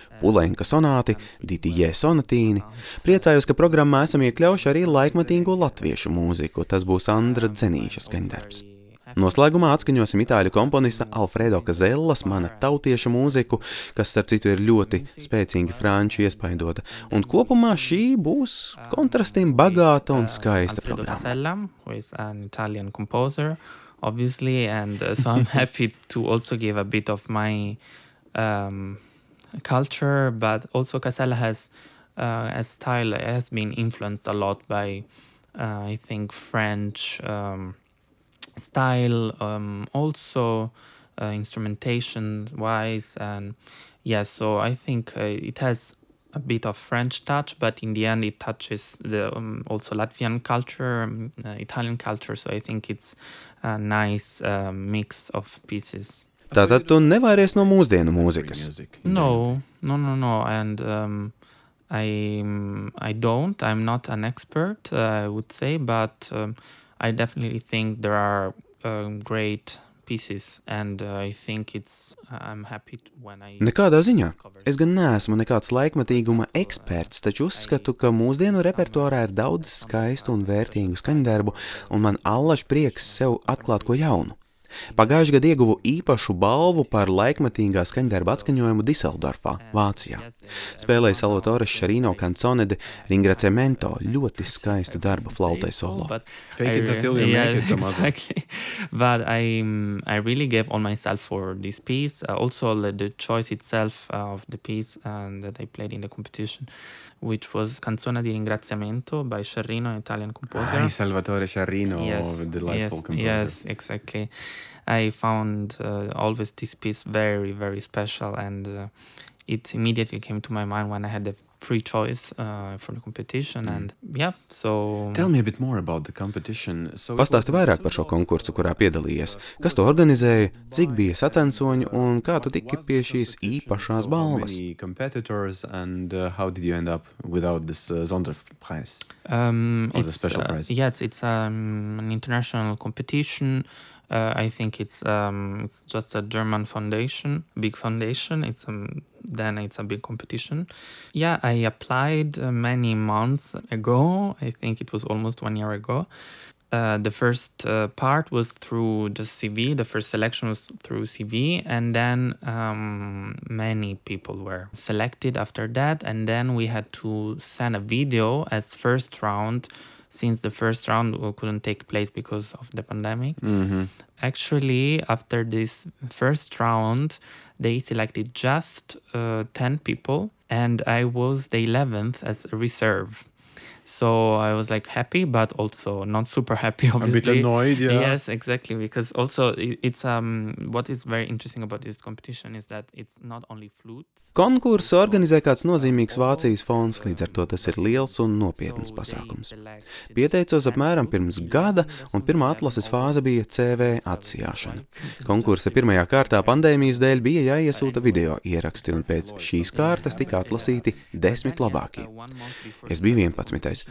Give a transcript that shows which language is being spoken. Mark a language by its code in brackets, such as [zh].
[lv] Pulenka sonāti, ditijē sonatīni. Priecājos, ka programmā esam iekļauši arī laikmatīgo latviešu mūziku. Tas būs Andra Dzenīša skaņdarbs. Noslēgumā atskaņosim itāļu komponista Alfredo Kazellas, mana tautiešu mūziku, kas, starp citu, ir ļoti spēcīgi franču iespaidota. Un kopumā šī būs kontrastiem bagāta un skaista programma. [en] Alfredo Kazellas, who is an Italian composer, obviously, and so I'm happy to also give a bit of my culture, but also Casella has a style that has been influenced a lot by, I think, French style also instrumentation wise and yes yeah, so I think it has a bit of French touch but in the end it touches the also Latvian culture Italian culture so I think it's a nice mix of pieces. [lv] Tātad tu nevairies no mūsdienu mūzikas? [en] No and I'm not an expert I would say but I definitely think there are great pieces and I think it's I'm happy when I [lv] Nekādā ziņā. Es gan neesmu nekāds laikmatīguma eksperts, taču uzskatu, ka mūsdienu repertuārā ir daudz skaistu un vērtīgu skaņdarbu un man allaž prieks sev atklāt ko jaunu. Pagājušajā gadā ieguvu īpašu balvu par laikmatīgā skaņdarba atskaņojumu Diseldorfā, Vācijā. Spēlēja Salvatore Šarino Canzone de Ringracemento, ļoti skaistu darbu flautai solo. [en] Fake it until you make it, Tomas. Exactly. But I really gave all myself for this piece. Also the choice itself of the piece that I played in the competition, which was Canzone di Ringraziamento by Sciarrino, an Italian composer. Ah, Salvatore Sciarrino, yes, delightful yes, composer. Yes, exactly. I found always this piece very, very special and it immediately came to my mind when I had the free choice for the competition and yeah, so tell me a bit more about the competition. [lv] So pastāsti vairāk par šo konkursu, kurā piedalījies. Kas to organizēja, cik bija sacensoņi un kā tu tiki pie šīs īpašās balvas? [en] Competitors and how did you end up without this Sonderpreis? Or the special prize? An international competition. I think it's just a German foundation, big foundation. Then it's a big competition. Yeah, I applied many months ago. I think it was almost 1 year ago. The first part was through the CV. The first selection was through CV, and then many people were selected after that. And then we had to send a video as first round. Since the first round couldn't take place because of the pandemic. Mm-hmm. Actually, after this first round, they selected just 10 people, and I was the 11th as a reserve. So I was like happy, but also not super happy, obviously. A bit annoyed, yeah. Yes, exactly, because also it's what is very interesting about this competition is that it's not only flutes. [lv] Konkursu organizē kāds nozīmīgs Vācijas fonds, līdz ar to tas ir liels un nopietns pasākums. Pieteicos apmēram pirms gada, un pirmā atlases fāze bija CV atsijāšana. Konkursa pirmajā kārtā pandēmijas dēļ bija jāiesūta video ieraksti, un pēc šīs kārtas tika atlasīti 10 labākie. Es biju 11.